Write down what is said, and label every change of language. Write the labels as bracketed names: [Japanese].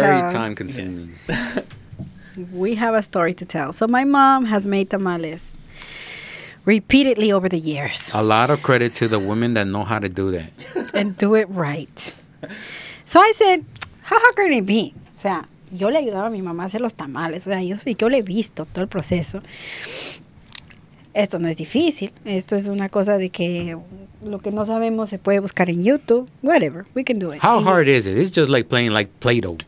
[English] tell. Very time-consuming. We have a story to tell. So, my mom has made tamales repeatedly over the years. A lot of credit to the women that know how to do that. And do it right. So I said, how hard can it be? [Spanish] O sea, yo le ayudaba a mi mamá a hacer los tamales. O sea, yo le he visto todo el proceso. Esto no es difícil. Esto es una cosa de que lo que no sabemos se puede buscar en YouTube. [English] Whatever. We can do it. How hard is it? It's just like playing like Play-Doh.